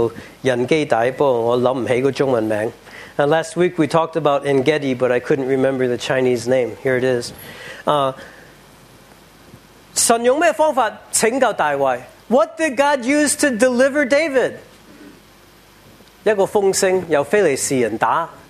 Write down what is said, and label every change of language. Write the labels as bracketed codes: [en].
[zh] 上个星期讲到隐基底，不过我想不起个中文名。 [en] And last week we talked about En-Gedi, but I couldn't remember the Chinese name. Here it is. [zh] 神用什么方法拯救大卫? [en] What did God use to deliver David? [zh] 一个风声由非利士人打。